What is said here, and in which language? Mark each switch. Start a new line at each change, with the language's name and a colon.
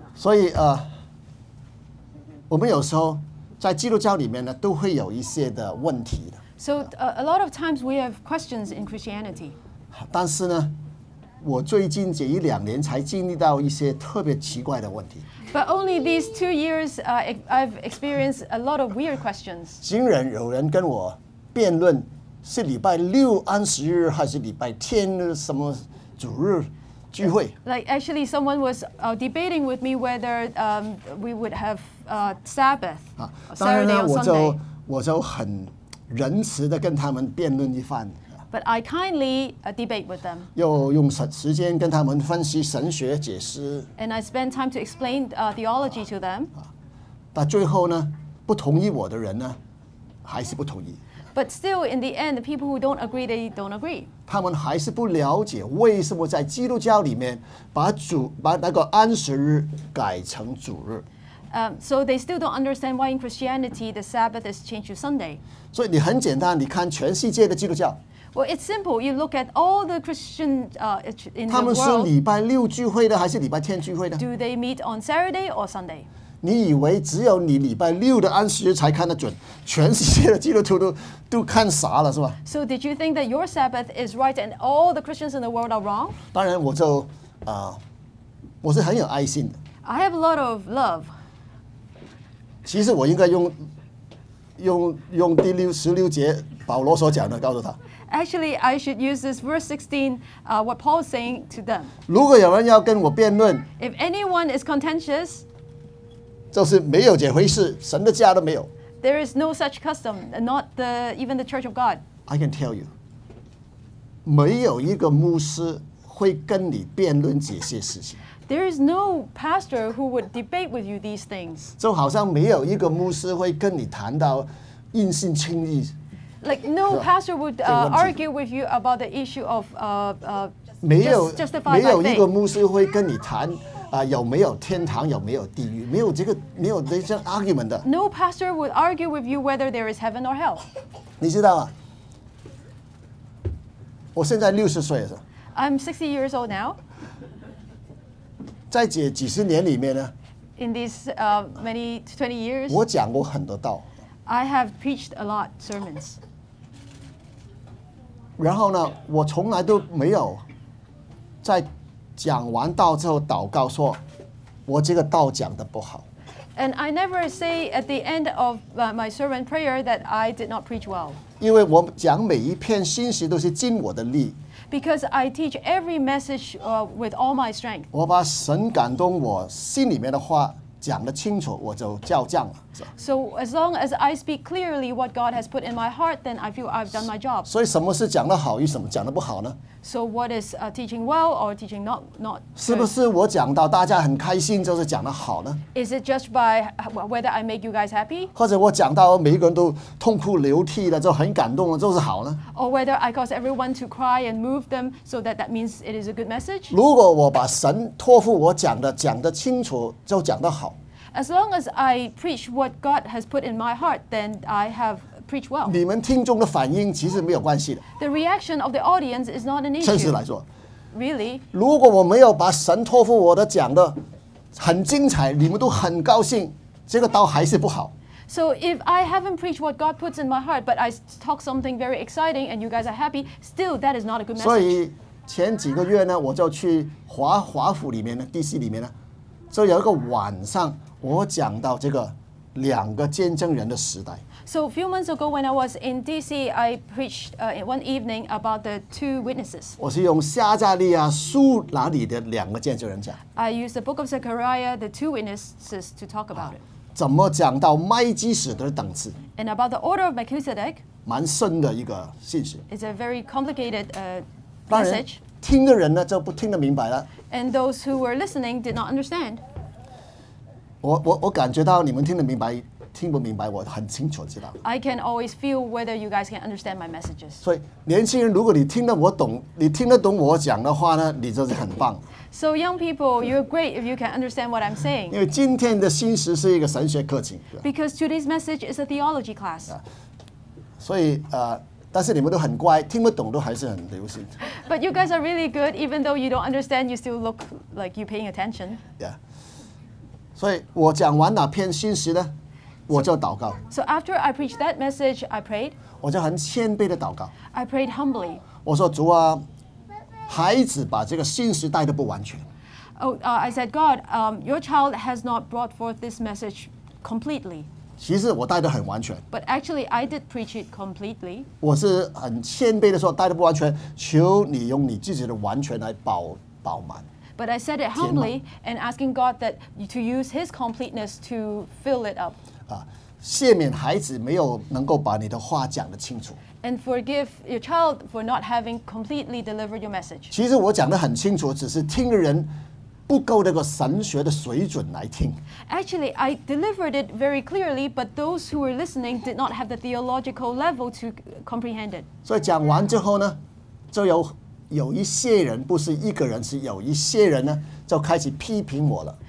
Chinese: 所以我们有时候在基督教里面呢，都会有一些的问题的。
English: So a lot of times we have questions in Christianity.
Chinese: 但是呢，我最近这一两年才经历到一些特别奇怪的问题。
English: But only these 2 years, I've experienced a lot of weird questions.
Chinese: 竟然有人跟我辩论是礼拜六安息日还是礼拜天什么主日聚会。
English: Like actually, someone was debating with me whether we would have Sabbath.
Chinese: 当然呢，我就很仁慈的跟他们辩论一番。
English: But I kindly debate with them.
Chinese: 又用时间跟他们分析神学解释。
English: And I spend time to explain theology to them.
Chinese: 但最后呢，不同意我的人呢，还是不同意。
English: But still, in the end, the people who don't agree, they don't agree.
Chinese: 他们还是不了解为什么在基督教里面把那个安息日改成主日。
English: So they still don't understand why in Christianity the Sabbath is changed to Sunday.
Chinese: 所以你很简单，你看全世界的基督教。
English: Well, it's simple. You look at all the Christian in the world.
Chinese: 他们是礼拜六聚会的还是礼拜天聚会的？
English: Do they meet on Saturday or Sunday?
Chinese: 你以为只有你礼拜六的安息日才看得准，全世界的基督徒都看傻了是吧？
English: So did you think that your Sabbath is right and all the Christians in the world are wrong?
Chinese: 当然我就我是很有爱心的。
English: I have a lot of love.
Chinese: 其实我应该用第六十六节保罗所讲的告诉他。
English: Actually, I should use this verse 16, what Paul is saying to them.
Chinese: 如果有人要跟我辩论，
English: If anyone is contentious,
Chinese: 就是没有这回事，神的家都没有。
English: There is no such custom, not even the church of God. I can tell you,
Chinese: 没有一个牧师会跟你辩论这些事情。
English: There is no pastor who would debate with you these things.
Chinese: 就好像没有一个牧师会跟你谈到因信称义。
English: Like no pastor would argue with you about the issue of justified by faith.
Chinese: 没有一个牧师会跟你谈有没有天堂，有没有地狱，没有这个，没有这些 argument 的。
English: No pastor would argue with you whether there is heaven or hell.
Chinese: 你知道吗？我现在六十岁了。
English: I'm 60 years old now.
Chinese: 在这几十年里面呢
English: ，In these many 20 years,
Chinese: 我讲过很多道。
English: I have preached a lot sermons.
Chinese: 然后呢，我从来都没有在讲完道之后祷告说，我这个道讲的不好。
English: And I never say at the end of my sermon prayer that I did not preach well.
Chinese: 因为我讲每一篇信息都是尽我的力。
English: Because I teach every message with all my strength.
Chinese: 我把神感动我心里面的话。讲得清楚，我就叫将了。
English: So as long as I speak clearly what God has put in my heart, then I feel I've done my job.
Chinese: 所以什么是讲得好与什么讲得不好呢
English: ？So what is teaching well or teaching not?
Chinese: 是不是我讲到大家很开心就是讲得好呢
English: ？Is it just by whether I make you guys happy?
Chinese: 或者我讲到每一个人都痛哭流涕的就很感动了就是好呢
English: ？Or whether I cause everyone to cry and move them so that means it is a good message?
Chinese: 如果我把神托付我讲得清楚就讲得好。
English: As long as I preach what God has put in my heart, then I have preached well.
Chinese: 你们听众的反应其实没有关系的。
English: The reaction of the audience is not an issue.
Chinese: 真实来说
English: ，Really?
Chinese: 如果我没有把神托付我的讲的很精彩，你们都很高兴，这个道还是不好。
English: So if I haven't preached what God puts in my heart, but I talk something very exciting and you guys are happy, still that is not a good message.
Chinese: 所以前几个月呢，我就去华府里面呢 ，DC 里面呢，就有一个晚上。我讲到这个两个见证人的时代。
English: So a few months ago when I was in DC, I preached one evening about the two witnesses.
Chinese: 我是用撒加利亚书哪里的两个见证人讲。
English: I used the book of Zechariah, the two witnesses to talk about it.
Chinese: 怎么讲到麦基洗德的等次
English: ？And about the order of Melchizedek.
Chinese: 蛮深的一个信息。
English: It's a very complicated message.
Chinese: 听的人呢就不听得明白了。
English: And those who were listening did not understand.
Chinese: 我感觉到你们听得明白，听不明白，我很清楚知道。
English: I can always feel whether you guys can understand my messages.
Chinese: 所以年轻人，如果你听得我懂，你听得懂我讲的话呢，你就是很棒。
English: So young people, you're great if you can understand what I'm saying.
Chinese: 因为今天的新时是一个神学课程。
English: Because today's message is a theology class.
Chinese: 所以但是你们都很乖，听不懂都还是很留心。
English: But you guys are really good, even though you don't understand, you still look like you're paying attention.
Chinese: Yeah. 所以我讲完哪篇新时呢？我就祷告。
English: So after I preached that message, I prayed.
Chinese: 我就很谦卑的祷告。
English: I prayed humbly.
Chinese: 我说主啊。孩子把这个信息带得不完全。
English: I said, God, your child has not brought forth this message completely.
Chinese: 其实我带得很完全。
English: But actually, I did preach it completely.
Chinese: 我是很谦卑的说带得不完全，求你用你自己的完全来饱满。
English: But I said it humbly and asking God that to use His completeness to fill it up.
Chinese: 赦免孩子没有能够把你的话讲得清楚。
English: And forgive your child for not having completely delivered your message.
Chinese: 其实我讲得很清楚，只是听的人不够那个神学的水准来听。
English: Actually, I delivered it very clearly, but those who were listening did not have the theological level to comprehend it.
Chinese: 所以讲完之后呢，就有一些人，不是一个人，是有一些人呢，就开始批评我了。